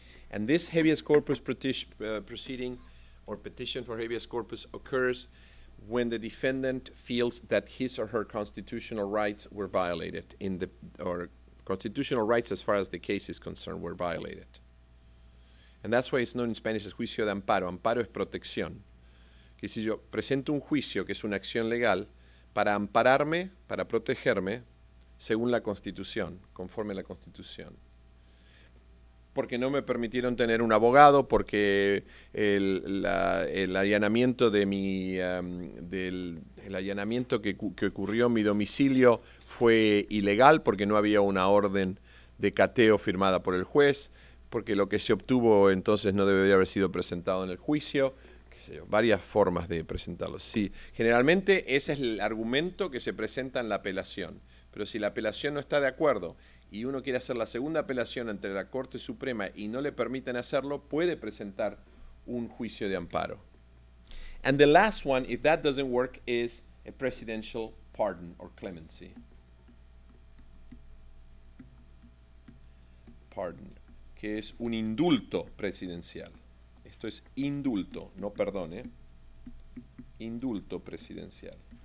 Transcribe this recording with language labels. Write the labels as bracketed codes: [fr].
[en] And this habeas corpus proceeding or petition for habeas corpus occurs when the defendant feels that his or her constitutional rights were violated, in the, or constitutional rights as far as the case is concerned were violated. And that's why it's known in Spanish as juicio de amparo. [es] Amparo es protección. Que si yo presento un juicio, que es una acción legal, para ampararme, para protegerme, según la Constitución, conforme a la Constitución. Porque no me permitieron tener un abogado, porque el allanamiento de mi, del, el allanamiento que ocurrió en mi domicilio fue ilegal, porque no había una orden de cateo firmada por el juez, porque lo que se obtuvo entonces no debería haber sido presentado en el juicio, qué sé yo, varias formas de presentarlo. Sí, generalmente ese es el argumento que se presenta en la apelación, pero si la apelación no está de acuerdo y uno quiere hacer la segunda apelación ante la Corte Suprema y no le permiten hacerlo, puede presentar un juicio de amparo. [en] And the last one, if that doesn't work, is a presidential pardon or clemency. [es] Pardon. Que es un indulto presidencial. Esto es indulto, no perdón, ¿eh? Indulto presidencial.